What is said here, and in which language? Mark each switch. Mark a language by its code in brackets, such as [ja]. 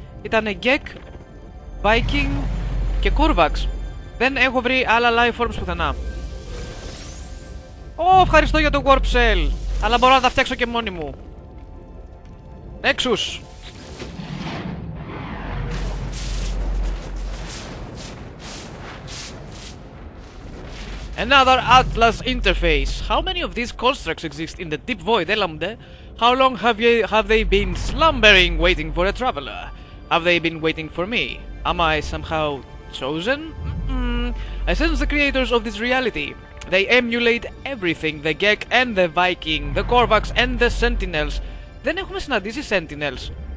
[el] Ήτανε Gek, Viking και Kurvax. Δεν έχω βρει άλλα lifeforms πουθενά. Ω, ευχαριστώ για το warp cell. Αλλά μπορώ να τα φτιάξω και μόνη μου. [en] Nexus. Another Atlas interface. How many of these constructs exist in the deep void, Elamde? How long have they been slumbering, waiting for a traveler? Have they been waiting for me? Am I somehow chosen? I sense the creators of this reality. They emulate everything, the Gek and the Viking, the Korvax and the Sentinels. [el] Δεν έχουμε συναντήσει Sentinels.